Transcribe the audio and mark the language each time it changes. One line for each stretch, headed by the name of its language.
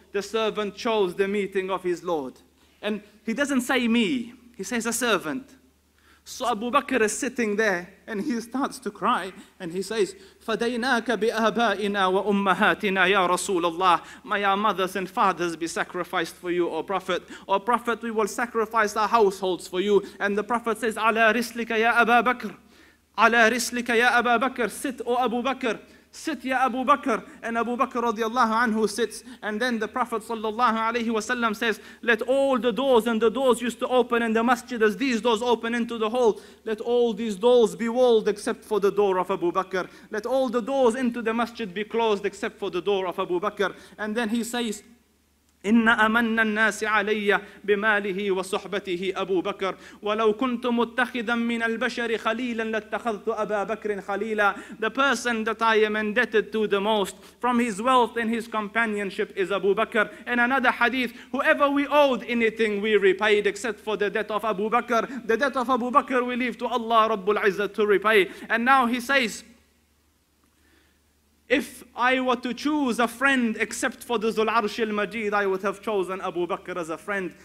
English: The servant chose the meeting of his Lord. And he doesn't say me, he says a servant. So Abu Bakr is sitting there and he starts to cry and he says,
Arabic: فَدَيْنَاكَ بِآبَائِنَا وَأُمَّهَاتِنَا يَا رَسُولَ اللَّهِ.
English: May our mothers and fathers be sacrificed for you, O Prophet. O Prophet, we will sacrifice our households for you. And the Prophet says,
Arabic: عَلَى رِسْلِكَ يَا أَبَا بَكْرِ. عَلَى رِسْلِكَ يَا أَبَا بَكْرِ.
English: Sit, O Abu Bakr. Sit, ya Abu Bakr. And Abu Bakr radiallahu anhu sits. And then the Prophet sallallahu alayhi wasallam says, let all the doors, and the doors used to open in the masjid as these doors open into the hall, let all these doors be walled except for the door of Abu Bakr. Let all the doors into the masjid be closed except for the door of Abu Bakr. And then he says,
Arabic: إِنَّ أَمَنَّ النَّاسِ عَلَيَّ بِمَالِهِ وَصُحْبَتِهِ أَبُو بَكْرٍ وَلَوْ كُنْتُ مُتَّخِذًا مِنَ الْبَشَرِ خَلِيلًا لَاتَّخَذْتُ أَبَا بَكْرٍ خَلِيلًا.
English: The person that I am indebted to the most from his wealth and his companionship is Abu Bakr. In another hadith, whoever we owed anything, we repaid except for the debt of Abu Bakr. The debt of Abu Bakr we leave to Allah Rabbul Izzah to repay. And now he says, if I were to choose a friend except for the Zul Arsh al-Majid, I would have chosen Abu Bakr as a friend.